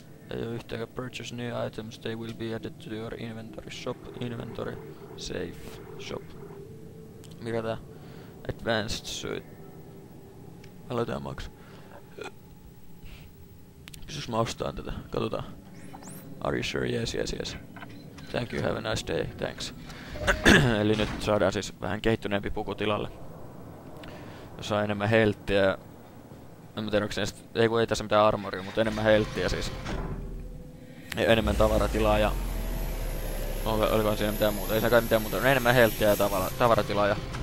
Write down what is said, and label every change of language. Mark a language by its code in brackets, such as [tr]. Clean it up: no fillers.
[fi] Ja yhtäkkiä [en] purchase new items, they will be added to your inventory shop, inventory safe shop. [fi] Mikä tää? [en] Advanced suit. [fi] Aloitetaan maksaa. Kysyks mä ostaan tätä, katotaan. [en] Are you sure? Yes, yes, yes. Thank you, have a nice day, thanks. [fi] Eli nyt saadaan siis vähän kehittyneempi puku tilalle. Saa enemmän healthia. En mä tiedä, onko se, ei kun ei tässä mitään armoria, mutta enemmän healthia siis. Ja enemmän tavaratilaa ja... Olikohan siinä mitään muuta? Ei se kai mitään muuta, on enemmän healthia ja tavaratilaa ja...